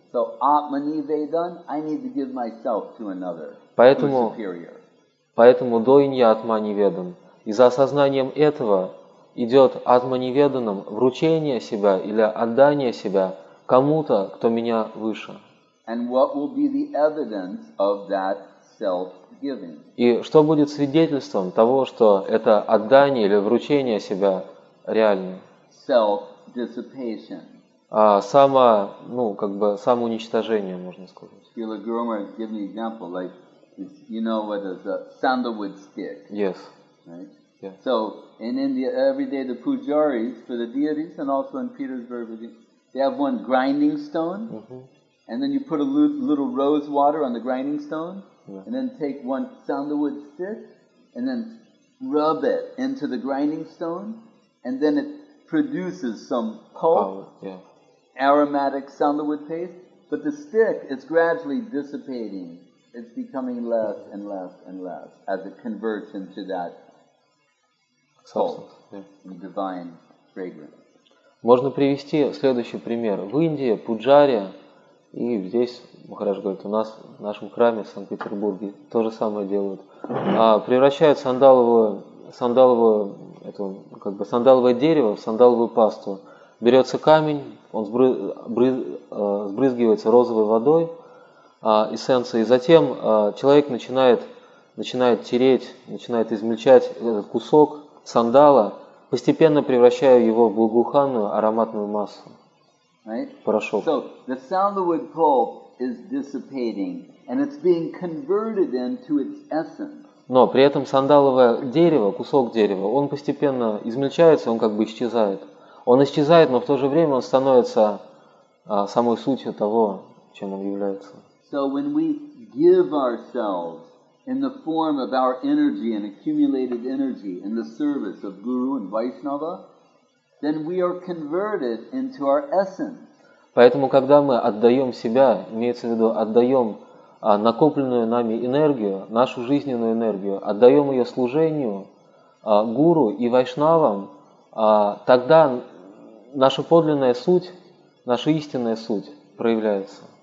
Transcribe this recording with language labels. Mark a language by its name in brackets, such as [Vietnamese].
[English] So, Atmani Vedan, I need to give myself to another. [Russian] Поэтому, [English] who's superior. [Russian] Поэтому Дойня Атмани Ведан. И за осознанием этого идет Атмани Веданам вручение себя или отдание себя кому-то, кто меня выше. [English] And what will be the evidence of that self-giving? [Russian] И что будет свидетельством того, что это отдание или вручение себя реально? [English] Self-dissipation. [Russian] Самоуничтожение, можно сказать. [English] Srila Guru Maharaj gave me an example, like you know what is a sandalwood stick. Yes. Right? Yeah. So in India every day the pujaris for the deities and also in Petersburg they have one grinding stone. Mm-hmm. And then you put a little rose water on the grinding stone, yeah. And then take one sandalwood stick, and then rub it into the grinding stone, and then it produces some pulp, aromatic sandalwood paste. But the stick is gradually dissipating; it's becoming less and less and less as it converts into that pulp, the divine fragrance. [Russian] Можно привести следующий пример: в Индии пуджария. И здесь, Махарадж говорит, у нас в нашем храме в Санкт-Петербурге то же самое делают. Превращают сандаловое дерево в сандаловую пасту. Берется камень, он сбрызгивается розовой водой, эссенцией. И затем человек начинает измельчать этот кусок сандала, постепенно превращая его в благоуханную ароматную массу. [English] Right? [Russian] Порошок. [English] So the sandalwood pulp is dissipating, and it's being converted into its essence. [Russian] Но при этом сандаловое дерево, кусок дерева, он постепенно измельчается, он как бы исчезает. Он исчезает, но в то же время он становится самой сутью того, чем он является. [English] So when we give ourselves in the form of our energy and accumulated energy in the service of Guru and Vaishnava. Then we are converted into our essence. [Russian] Поэтому, когда мы отдаем себя, имеется в виду, отдаем накопленную нами энергию, нашу жизненную энергию, отдаем ее служению гуру и вайшнавам, тогда наша подлинная суть, наша истинная суть проявляется.